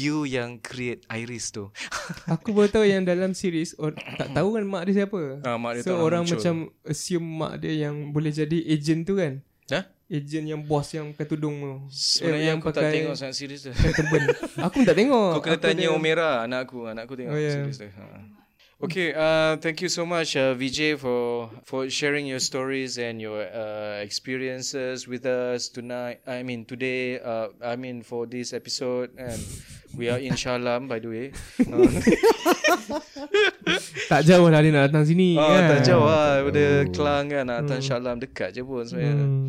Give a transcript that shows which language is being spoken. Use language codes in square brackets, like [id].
[ms] you yang create Iris tu. Aku baru tahu yang dalam series tak tahu kan mak dia siapa. Mak dia so orang macam assume mak dia yang boleh jadi agent tu kan. Huh? Agent yang bos yang pakai tudung tu. Sebenarnya yang aku pakai, tak tengok sangat series tu. Aku tak tengok. Kau kena tanya Omera, anak aku tengok series tu. [en] Okay, thank you so much Vijay for sharing your stories and your experiences with us tonight. I mean today, for this episode, and we are in Shalam by the way. [ms] Tak jauh lah dia nak datang sini. Tak jauh lah daripada Kelang kan, nak datang Shalam, dekat je pun sebenarnya.